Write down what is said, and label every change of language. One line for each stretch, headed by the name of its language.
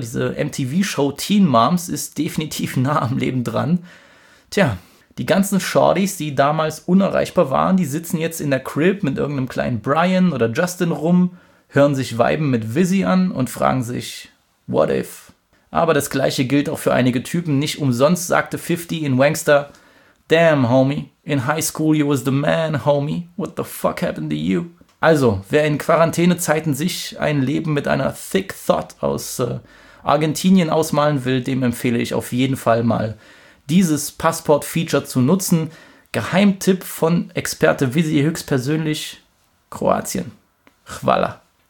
German: Diese MTV-Show Teen Moms ist definitiv nah am Leben dran. Tja, die ganzen Shorties, die damals unerreichbar waren, die sitzen jetzt in der Crib mit irgendeinem kleinen Brian oder Justin rum, hören sich Viben mit Fizzy an und fragen sich,
English: what if?
German: Aber das gleiche gilt auch für einige Typen. Nicht umsonst sagte 50 in Wangster,
English: damn homie, in high school you was the man homie, what the fuck happened to you?
German: Also, wer in Quarantänezeiten sich ein Leben mit einer Thick Thought aus Argentinien ausmalen will, dem empfehle ich auf jeden Fall mal, dieses Passport-Feature zu nutzen. Geheimtipp von Experte Fizzy höchstpersönlich, Kroatien. Hvala.